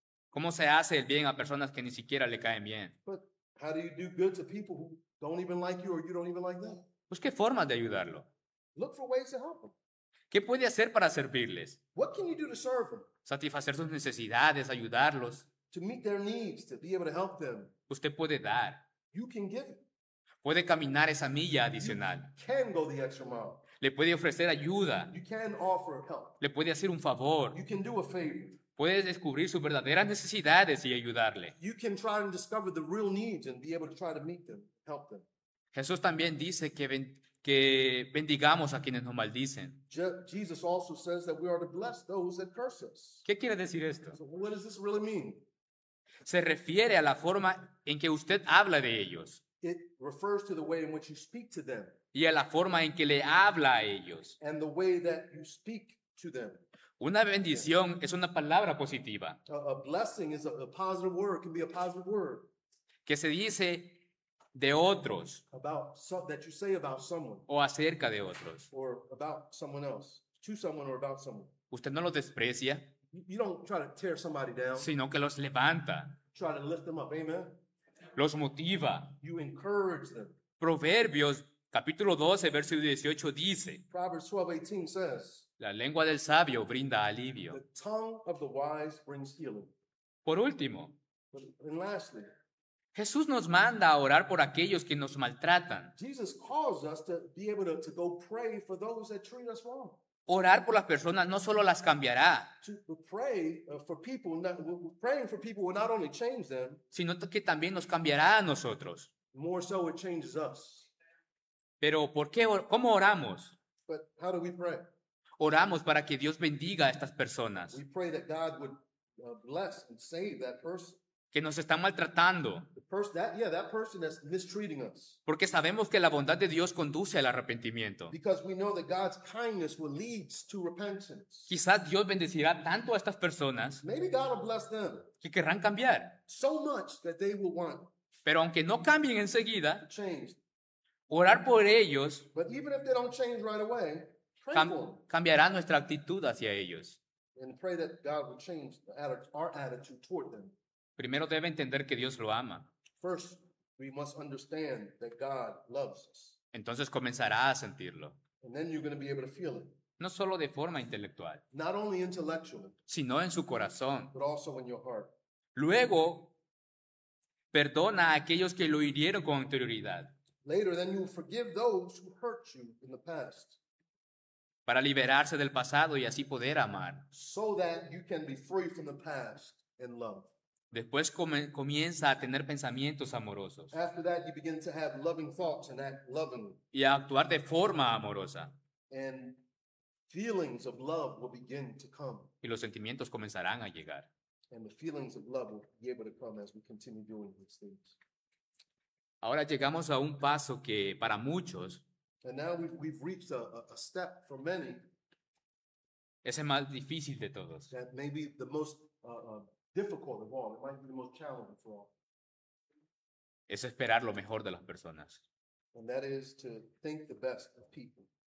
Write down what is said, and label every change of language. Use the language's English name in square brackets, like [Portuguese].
[Spanish] ¿Cómo se hace el bien a personas que ni siquiera le caen bien? [English] But how do you do good to people who don't even like you or you don't even like them? [Spanish] ¿Busque formas de ayudarlo? [English] Look for ways to help them. [Spanish] ¿Qué puede hacer para servirles? [English] What can you do to serve them? [Spanish] Satisfacer sus necesidades, ayudarlos. [English] To meet their needs, to be able to help them. [Spanish] Usted puede dar. [English] You can give. [Spanish] Puede caminar esa milla adicional. [English] You can go the extra mile. [Spanish] Le puede ofrecer ayuda. [English] You can offer help. [Spanish] Le puede hacer un favor. [English] You can do a favor. [Spanish] Puede descubrir sus verdaderas necesidades y ayudarle. [English] You can try and discover the real needs and be able to try to meet them, help them. [Spanish] Jesús también dice que bendigamos a quienes nos maldicen. [English] Jesus also says that we are to bless those that curse us. [Spanish] ¿Qué quiere decir esto? [English] So what does this really mean? [Spanish] Se refiere a la forma en que usted habla de ellos. [English] It refers to the way in which you speak to them. [Spanish] Y a la forma en que le habla a ellos. [English] And the way that you speak to them. [Spanish] Una bendición es una palabra positiva. [English] A blessing is a positive word. It can be a positive word. [Spanish] Que se dice de otros. [English] About so, that you say about someone. [Spanish] O acerca de otros. [English] Or about someone else. To someone or about someone. [Spanish] Usted no los desprecia. [English] You don't try to tear somebody down. [Spanish] Sino que los levanta. [English] Try to lift them up. Amen. [Spanish] Los motiva. [English] You encourage them. [Spanish] Proverbios capítulo 12, verso 18 dice, [English] Proverbs 12, 18 says, [Spanish] la lengua del sabio brinda alivio. [English] The tongue of the wise brings healing. [Spanish] Por último, [English] and lastly, [Spanish] Jesús nos manda a orar por aquellos que nos maltratan. [English] Jesus calls us to be able to go pray for those that treat us wrong. [Spanish] Orar por las personas no solo las cambiará, sino que también nos cambiará a nosotros. [English] More so it changes us. [Spanish] Pero ¿por qué? ¿Cómo oramos? [English] But how do we pray? [Spanish] Oramos para que Dios bendiga a estas personas. [English] We pray that God would bless and save that person. [Spanish] Que nos están maltratando. [English] That person that's mistreating us. [Spanish] Porque sabemos que la bondad de Dios conduce al arrepentimiento. [English] Because we know that God's kindness will lead to repentance. [Spanish] Quizás Dios bendecirá tanto a estas personas. [English] Maybe God will bless them. [Spanish] Que querrán cambiar. [English] So much that they will want. [Spanish] Pero aunque no cambien enseguida. [English] Change. [Spanish] Orar por ellos. [English] But even if they don't change right away. [Spanish] Cambiará nuestra actitud hacia ellos. [English] And pray that God will change our attitude toward them. [Spanish] Primero debe entender que Dios lo ama. [English] First, we must understand that God loves us. [Spanish] Entonces comenzará a sentirlo. [English] And then you're going to be able to feel it. [Spanish] No solo de forma intelectual. [English] Not only intellectually. [Spanish] Sino en su corazón. [English] But also in your heart. [Spanish] Luego, perdona a aquellos que lo hirieron con anterioridad. [English] Later, then you'll forgive those who hurt you in the past. [Spanish] Para liberarse del pasado y así poder amar. [English] So that you can be free from the past and love. [Spanish] Después comienza a tener pensamientos amorosos. [English] After that, you begin to have loving thoughts and act lovingly. [Spanish] Y a actuar de forma amorosa. [English] And feelings of love will begin to come. [Spanish] Y los sentimientos comenzarán a llegar. [English] And the feelings of love will be able to come as we continue doing these things. [Spanish] Ahora llegamos a un paso que para muchos. [English] And now we've reached a step for many. [Spanish] Es el más difícil de todos. [English] That may be the most difficult of all. It might be the most challenging for all. [Spanish] Es esperar lo mejor de las personas. [English] And that is to think the best of people.